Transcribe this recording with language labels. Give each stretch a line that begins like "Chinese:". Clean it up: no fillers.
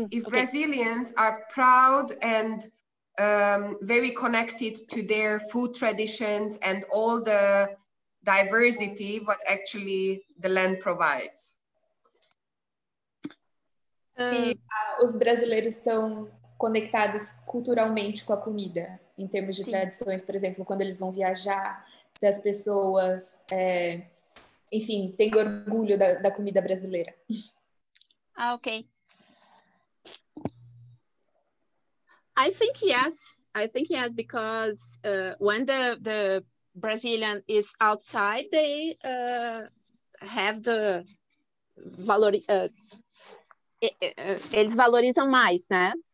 English: Brazilians are proud and very connected to their food traditions and all the diversity what actually the land provides.
Portuguese: Os brasileiros estão conectados culturalmente com a comida, em termos de tradições, por exemplo, quando eles vão viajar, se as pessoas, enfim, têm orgulho da comida brasileira. Ah, ok.
English: I think yes, because when the Brazilian is outside, they have the valor,
Portuguese: eles valorizam mais, né?